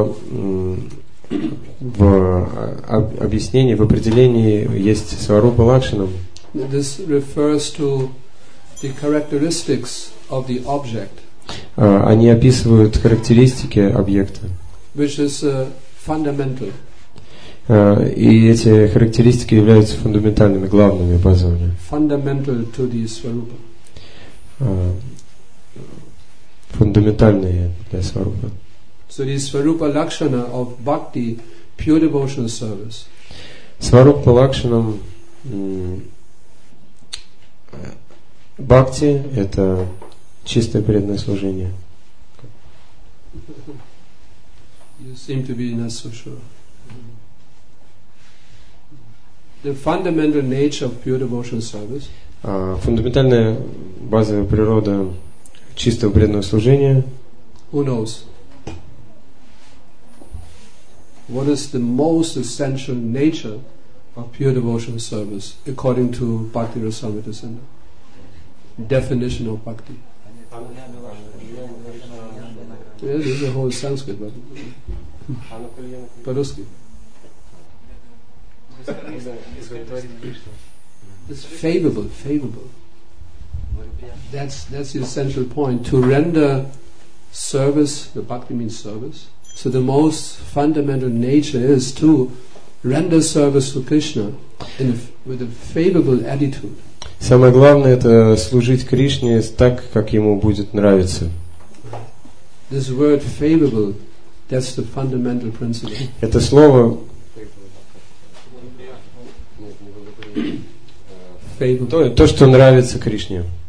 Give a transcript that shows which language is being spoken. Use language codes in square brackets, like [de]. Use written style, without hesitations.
[ru] В объяснении, в определении есть Сварупа Лакшана. [en] This refers to the characteristics of the object. [ru] Они описывают характеристики объекта. [en] Which is fundamental. [ru] И эти характеристики являются фундаментальными, главными, базовыми. [en] Fundamental to the Swarupa. [ru] Фундаментальные для Swarupa. [en] So the Swarupa Lakshana of Bhakti, pure devotional service. [ru] Swarupa Lakshana Бхакти – это чистое преданное служение. [en] You seem to be not so sure. The fundamental nature of pure devotional service. Фундаментальная базовая природа чистого преданного служения. Who knows? What is the most essential nature of pure devotional service according to Bhakti Rasamrita Sindhu? Definition of bhakti. Yeah, this is a whole Sanskrit, but Paruski. It's favorable. That's the essential point. To render service, the bhakti means service. So the most fundamental nature is to render service to Krishna with a favorable attitude. [ru] Самое главное – это служить Кришне так, как ему будет нравиться. [en] This word favorable, that's the fundamental principle. [ru] Это слово то, что нравится Кришне.